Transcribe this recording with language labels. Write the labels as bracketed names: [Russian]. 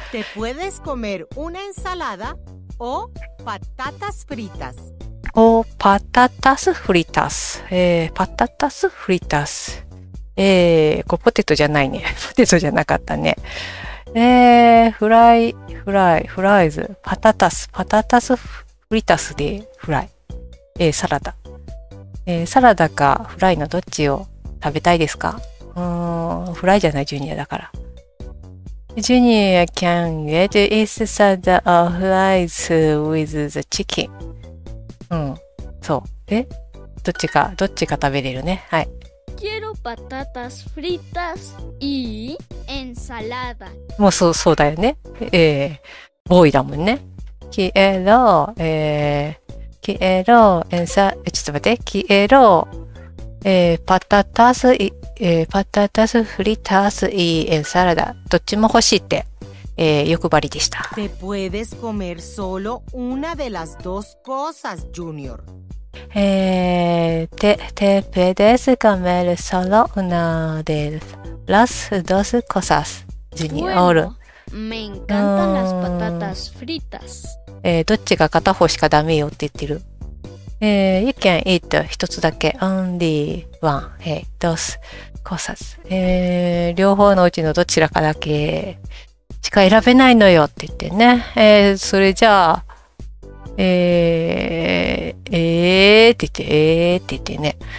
[Spanish] Te puedes comer una ensalada o patatas fritas。 [Japanese] おパタタスフリタス、パタタスフリタス、こうポテトじゃないね、ポテトじゃなかったね、フライフライフライズ、パタタスパタタスフリタスでフライ、サラダ、サラダかフライのどっちを食べたいですか？うーん、フライじゃない、ジュニアだから。 [English] ジュニア can get his salad or fries with the chicken。 [Japanese] うん、そう、え、どっちかどっちか食べれるね、はい。 [Spanish] Quiero patatas fritas y ensalada。 [Japanese] もうそうそうだよね、ボーイだもんね。 [Spanish] Quiero、Quiero ensa、ちょっと待って、Quiero、patatas y、patatas fritas y ensalada。 [Japanese] どっちも欲しいって、欲張りでした。 [Spanish] Te puedes comer solo una de las dos cosas, Junior. Te puedes comer solo una de las dos cosas, Junior. Bueno, me encantan las patatas fritas. [Japanese] どっちが片方しかダメよって言ってる。 [English] You can eat [Japanese] 一つだけ [English] only one、 [Spanish] dos cosas、 [Japanese] 両方のうちのどちらかだけ。しか選べないのよって言ってね。それじゃあ、って言ってね。